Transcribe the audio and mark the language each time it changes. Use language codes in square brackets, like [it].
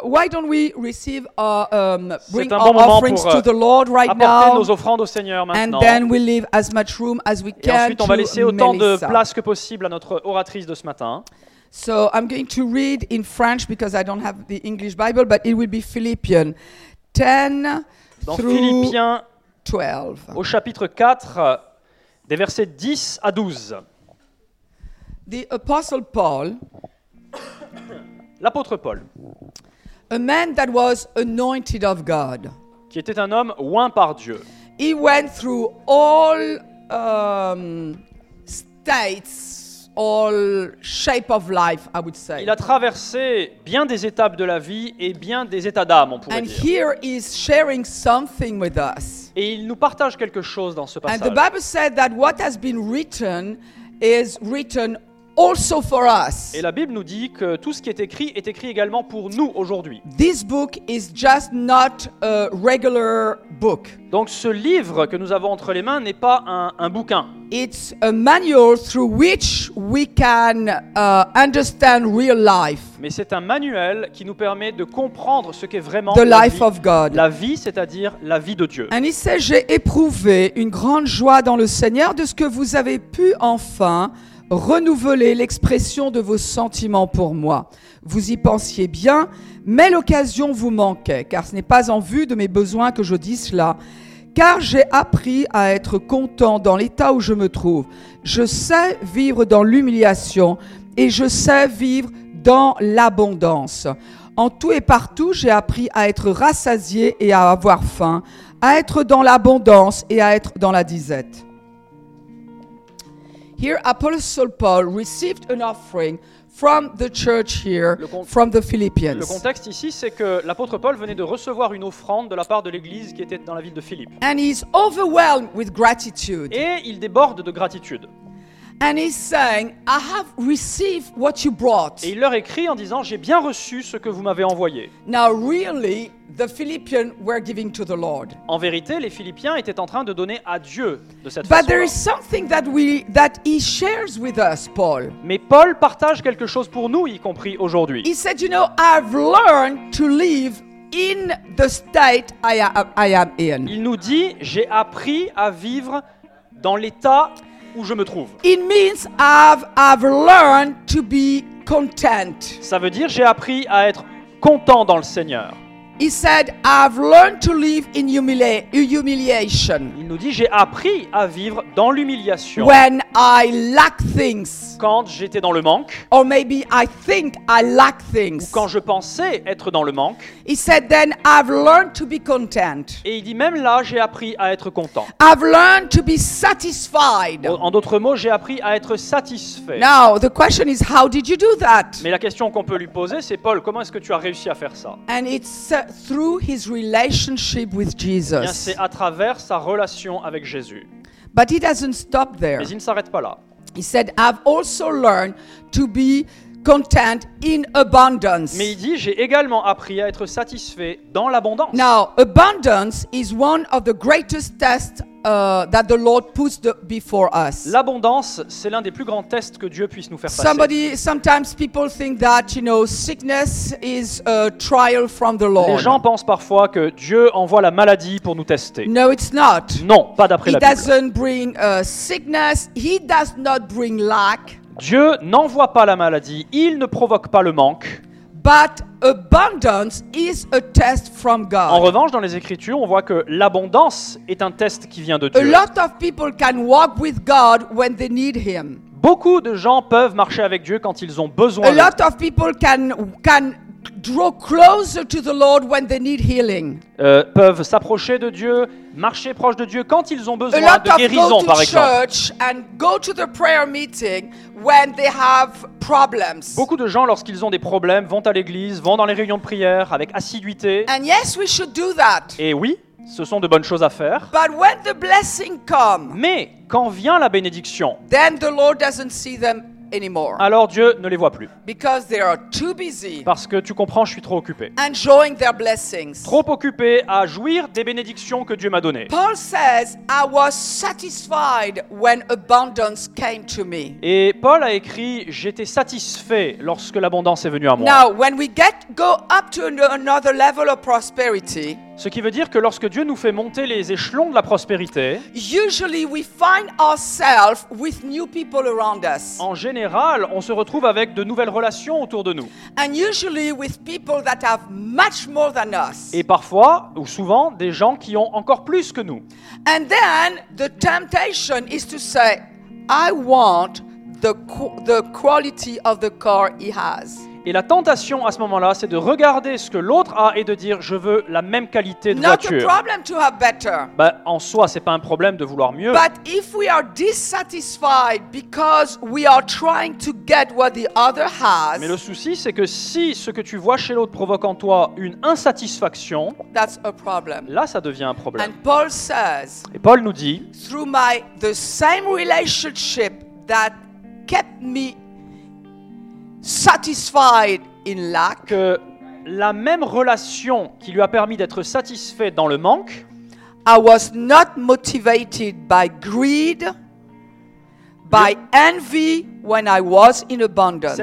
[en] Why don't we receive our bring our offerings to the Lord right now? [fr] Nos offrandes au Seigneur maintenant. [en] And then we leave as much room as we can. [fr] Et ensuite, on va laisser autant de place que possible à notre oratrice de ce matin. [en] So I'm going to read in French because I don't have the English Bible, but it will be Philippians 10 [fr] dans [en] through [fr] Philippiens, 12. Au chapitre 4, des versets 10 à 12. [en] The Apostle Paul. [fr] L'apôtre Paul. [en] A man that was anointed of God. [fr] Qui était un homme oint par Dieu. [en] He went through all states. All shape of life, I would say. [fr] Il a traversé bien des étapes de la vie et bien des états d'âme, on pourrait dire. [en] Here is sharing something with us. [fr] Et il nous partage quelque chose dans ce passage. [en] And the Bible said that what has been written is written also for us. [fr] Et la Bible nous dit que tout ce qui est écrit également pour nous aujourd'hui. [en] This book is just not a regular book. [fr] Donc ce livre que nous avons entre les mains n'est pas un bouquin. [en] It's a manual through which we can understand real life. [fr] Mais c'est un manuel qui nous permet de comprendre ce qu'est vraiment [en] the life of God. [fr] La vie, c'est-à-dire la vie de Dieu. [en] And he says, [fr] j'ai éprouvé une grande joie dans le Seigneur de ce que vous avez pu enfin renouveler l'expression de vos sentiments pour moi. Vous y pensiez bien, mais l'occasion vous manquait, car ce n'est pas en vue de mes besoins que je dis cela. Car j'ai appris à être content dans l'état où je me trouve. Je sais vivre dans l'humiliation et je sais vivre dans l'abondance. En tout et partout, j'ai appris à être rassasié et à avoir faim, à être dans l'abondance et à être dans la disette. [en] Here, Apostle Paul received an offering from the church here, from the Philippians. [fr] Le contexte ici, c'est que l'apôtre Paul venait de recevoir une offrande de la part de l'église qui était dans la ville de Philippe. [en] And he's overwhelmed with gratitude. [fr] Et il déborde de gratitude. [en] And he's saying, I have received what you brought. [fr] Et il leur écrit en disant, j'ai bien reçu ce que vous m'avez envoyé. [en] Now, really, the Philippians were giving to the Lord. [fr] En vérité, les Philippiens étaient en train de donner à Dieu de cette façon. [en] But there is something that he shares with us, Paul. [fr] Mais Paul partage quelque chose pour nous, y compris aujourd'hui. [en] He said, you know, I've learned to live in the state I am in. [fr] Il nous dit, j'ai appris à vivre dans l'état où je me trouve. [en] It means I've learned to be content. [fr] Ça veut dire j'ai appris à être content dans le Seigneur. [en] He said I've learned to live in humiliation. [fr] Il nous dit j'ai appris à vivre dans l'humiliation. [en] When I lack things. [fr] Quand j'étais dans le manque. [en] Or maybe I think I lack things. [fr] Ou quand je pensais être dans le manque. [en] He said then I've learned to be content. [fr] Et il dit même là j'ai appris à être content. [en] I've learned to be satisfied. [fr] En d'autres mots, j'ai appris à être satisfait. [en] Now the question is how did you do that? [fr] Mais la question qu'on peut lui poser c'est Paul, comment est-ce que tu as réussi à faire ça? [en] And it's through his relationship with Jesus. [fr] Bien, c'est à travers sa relation avec Jésus. [en] But he doesn't stop there. [fr] Mais il ne s'arrête pas là. [en] He said, I've also learned to be content in abundance. [fr] Mais il dit, j'ai également appris à être satisfait dans l'abondance. [en] Now, abundance is one of the greatest tests that the Lord puts before us. [fr] L'abondance, c'est l'un des plus grands tests que Dieu puisse nous faire passer. [en] Sometimes people think that, you know, sickness is a trial from the Lord. [fr] Les gens pensent parfois que Dieu envoie la maladie pour nous tester. [en] No, it's not. [fr] Non, pas d'après [en] he [fr] la Bible. [en] He doesn't bring sickness. He does not bring lack. [fr] Dieu n'envoie pas la maladie, il ne provoque pas le manque. [en] But abundance is a test from God. [fr] En revanche, dans les Écritures, on voit que l'abondance est un test qui vient de Dieu. [en] A lot of people can walk with God when they need him. [fr] Beaucoup de gens peuvent marcher avec Dieu quand ils ont besoin. [en] A lot of people can draw closer to the Lord when they need healing. [fr] Peuvent s'approcher de Dieu, marcher proche de Dieu quand ils ont besoin [en] a lot [fr] de guérison, [en] go [fr] par [en] to [fr] exemple. [en] Church and go to the prayer meeting when they have problems. [fr] Beaucoup de gens, lorsqu'ils ont des problèmes, vont à l'église, vont dans les réunions de prière avec assiduité. [en] And yes, we should do that. [fr] Et oui, ce sont de bonnes choses à faire. [en] But when the blessing comes, [fr] mais quand vient la bénédiction, [en] then the Lord doesn't see them anymore. [fr] Alors Dieu ne les voit plus. [en] Because they are too busy. [fr] Parce que tu comprends, je suis trop occupé. [en] Enjoying their blessings. [fr] Trop occupé à jouir des bénédictions que Dieu m'a données. [en] Paul says, I was satisfied when abundance came to me. [fr] Et Paul a écrit, j'étais satisfait lorsque l'abondance est venue à moi. [en] Now, when we go up to another level of prosperity. [fr] Ce qui veut dire que lorsque Dieu nous fait monter les échelons de la prospérité, [en] usually we find ourselves with new people around us. [fr] En général, on se retrouve avec de nouvelles relations autour de nous. [en] And usually with people that have much more than us. [fr] Et parfois, ou souvent, des gens qui ont encore plus que nous. [en] And then the temptation is to say, I want the quality of the car he has. [fr] Et la tentation à ce moment-là, c'est de regarder ce que l'autre a et de dire « je veux la même qualité de voiture ». [en] Not a problem to have better. [fr] Ben, en soi, ce n'est pas un problème de vouloir mieux. [en] But if we are dissatisfied because we are trying to get what the other has. [fr] Mais le souci, c'est que si ce que tu vois chez l'autre provoque en toi une insatisfaction, [en] that's a problem. [fr] Là, ça devient un problème. [en] And Paul says, [fr] et Paul nous dit, [en] « through my the same relationship that kept me satisfied in lack, [fr] que la même relation qui lui a permis d'être satisfait dans le manque, [en] I was not motivated by greed, by envy when I was in abundance.